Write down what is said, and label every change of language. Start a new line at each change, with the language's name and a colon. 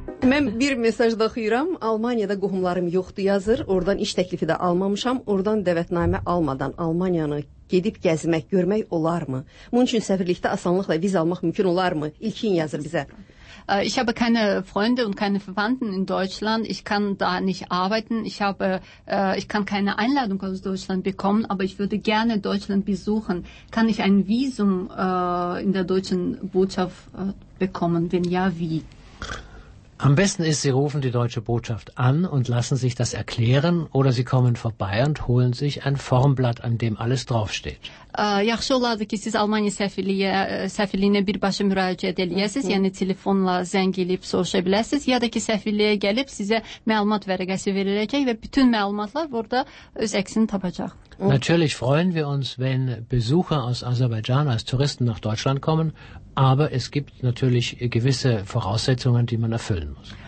Azerbaijani: Mən bir mesaj da oxuyuram. Almaniyada qohumlarım yoxdur yazır. Oradan iş təklifi də almamışam. Oradan dəvətnamə almadan Almaniyanı gedib gəzmək, görmək olarmı? Bunun üçün səfirlikdə asanlıqla viza almaq mümkün olarmı? İlkin yazır bizə.
German: Ich habe keine Freunde und keine Verwandten in Deutschland. Ich kann da nicht arbeiten. Ich kann keine Einladung aus Deutschland bekommen, aber ich würde gerne Deutschland besuchen. Kann ich ein Visum in der deutschen Botschaft bekommen? Wenn ja, wie? Am besten ist, Sie rufen die deutsche Botschaft an und lassen sich das erklären oder Sie kommen vorbei und holen sich ein Formblatt, an dem alles draufsteht.
Azerbaijani: Yaxşı olardı ki, siz Almanya səfirliyinə birbaşa müraciət edəyəsiniz, yəni telefonla zəng edib soruşa bilərsiniz, ya da ki, səfirliyə gəlib sizə məlumat vərəqəsi veriləcək və bütün məlumatlar orada öz əksini tapacaq.
German: Natürlich freuen wir uns, wenn Besucher aus Azerbaijan als Touristen nach Deutschland kommen, aber es gibt natürlich gewisse Voraussetzungen, die man erfüllen muss.